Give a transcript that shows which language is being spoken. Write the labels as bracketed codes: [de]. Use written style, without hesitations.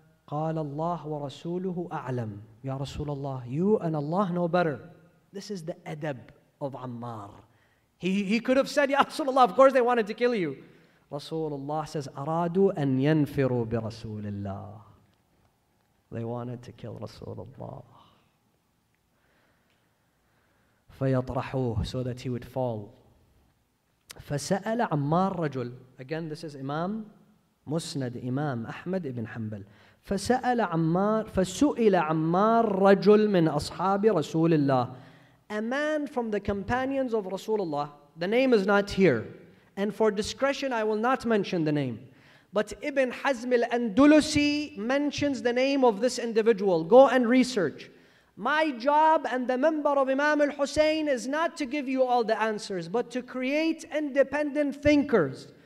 [ar] قال الله ورسوله أعلم يا رسول الله. [en] You and Allah know better. This is the adab of Ammar. He could have said, Ya Rasulullah, of course they wanted to kill you. Rasulullah says, [ar] أرادوا أن ينفروا برسول الله. [en] They wanted to kill Rasulullah. [ar] فيطرحوه, [en] so that he would fall. [ar] فسأل عمار رجل. [en] Again, this is Imam Musnad, Imam Ahmad ibn Hanbal. [ar] فسأل عمار رجل من أصحاب رسول الله. [en] A man from the companions of Rasulullah. The name is not here. And for discretion, I will not mention the name. But Ibn Hazm al-Andalusi mentions the name of this individual. Go and research. My job and the member of Imam al-Hussein is not to give you all the answers, but to create independent thinkers.